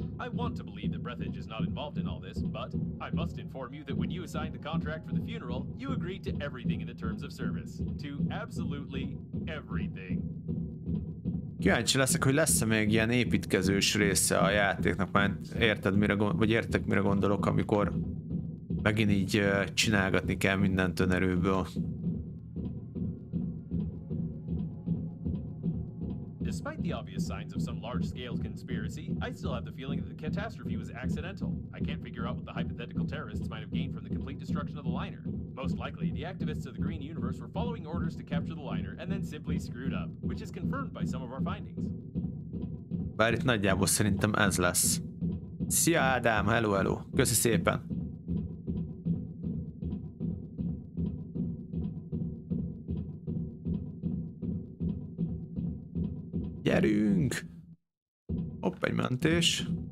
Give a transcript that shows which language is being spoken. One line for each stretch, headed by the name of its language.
English: I want to believe that Breathedge is not involved in all this, but I must inform you that when you signed the contract for the funeral, you agreed to everything in the terms of service. To absolutely everything.
Hungarian: Kíváncsi leszek, hogy lesz-e még ilyen építkezős része a játéknak, mert érted, mire vagy értek, mire gondolok, amikor megint így csinálgatni kell mindent önerőből.
English: Despite the obvious signs of some large-scale conspiracy, I still have the feeling that the catastrophe was accidental. I can't figure out what the hypothetical terrorists might have gained from the complete destruction of the liner. Most likely, the activists of the Green Universe were following orders to capture the liner and then simply screwed up, which is confirmed by some of our findings.
Hungarian: Bár itt nagyjából szerintem ez lesz. Szia Ádám, hello, hello. Köszi szépen. Gyerünk! Hopp, egy mentés.